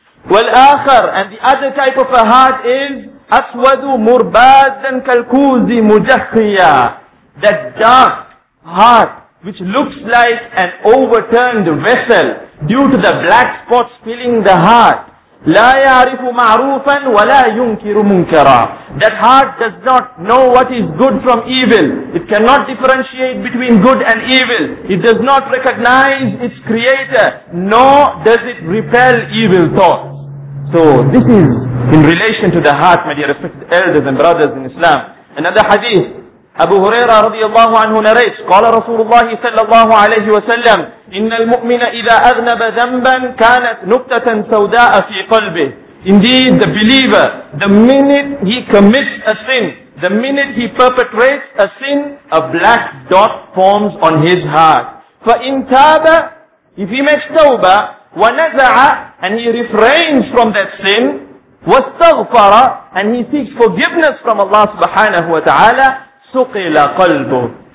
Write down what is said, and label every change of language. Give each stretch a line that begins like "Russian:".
Arabic: وَالْآخَرُ.
English: And the other type of a heart is
Arabic: أَسْوَدُ مُرْبَادًا كَالْكُوزِ مُجَخِّيًا.
English: That dark heart which looks like an overturned vessel due to the black spots filling the heart.
Arabic: لا يعرف معروفا ولا ينكر منكرا.
English: That heart does not know what is good from evil. It cannot differentiate between good and evil. It does not recognize its creator, nor does it repel evil thoughts. So this is in relation to the heart, my dear respected elders and brothers in Islam. Another hadith, Abu Huraira radiallahu anhu narrates,
Arabic: قال رسول الله صلى الله عليه وسلم, إِنَّ الْمُؤْمِنَ إِذَا أَذْنَبَ ذَنْبًا كَانَتْ نُكْتَةً سَوْدَاءَ فِي قَلْبِهِ.
English: Indeed, the believer, the minute he commits a sin, the minute he perpetrates a sin, a black dot forms on his heart.
Arabic: فَإِنْ تَابَ,
English: if he makes tawbah,
Arabic: وَنَزَعَ,
English: and he refrains from that sin,
Arabic: وَاسْتَغْفَرَ,
English: and he seeks forgiveness from Allah subhanahu wa ta'ala,
Arabic: سُقِلَ قَلْبُهِ.